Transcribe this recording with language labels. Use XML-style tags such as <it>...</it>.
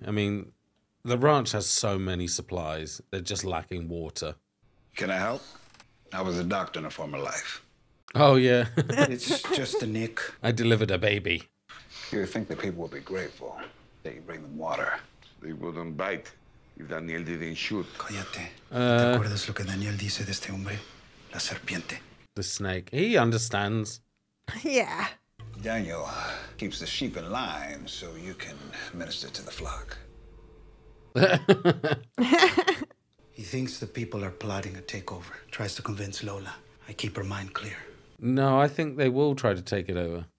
<en>I mean, the ranch has so many supplies. They're just lacking water. Can I help? I was a doctor in a former life. Oh, yeah. It's just a nick. I delivered a baby. You think the people will be grateful that you bring them water? They wouldn't bite. If Daniel didn't shoot.</en> <es>Cállate. ¿Te acuerdas lo que Daniel dice de este hombre? La serpiente.</es> <en>The snake. He understands. Yeah. Daniel keeps the sheep in line so you can minister to the flock. He thinks the people are plotting a takeover. Tries to convince Lola. I keep her mind clear. No, I think they will try to take it over.</en>